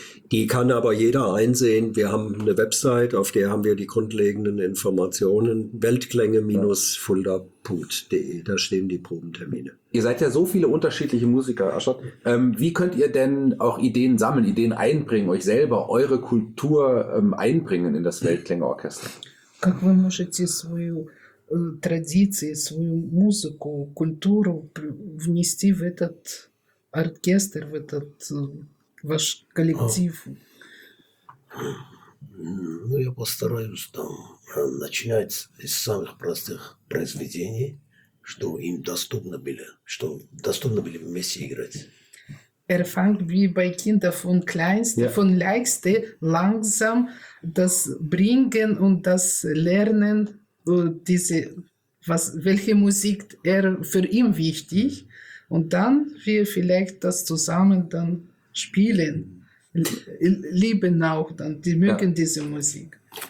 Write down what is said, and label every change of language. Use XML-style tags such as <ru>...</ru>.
<de>Die kann aber jeder einsehen. Wir haben eine Website, auf der haben wir die grundlegenden Informationen. Weltklänge-fulda.de. Da stehen die Probentermine. Ihr seid ja so viele unterschiedliche Musiker, Aschot. Wie könnt ihr denn auch Ideen sammeln, Ideen einbringen, euch selber, eure Kultur einbringen in das Weltklänge-Orchester?</de> <ru>Как вы можете свою традиции, свою музыку, культуру внести в этот оркестр, в этот ваш коллектив? Ну, я постараюсь там начинать из самых простых произведений, что им доступно было, что доступно было вместе играть.</ru> <de>Er fängt wie bei Kindern von kleinste, von leichtste, langsam das Bringen und das Lernen, welche Musik er für ihn wichtig, und dann wir vielleicht das zusammen dann spielen, lieben auch dann, die mögen diese Musik.</de>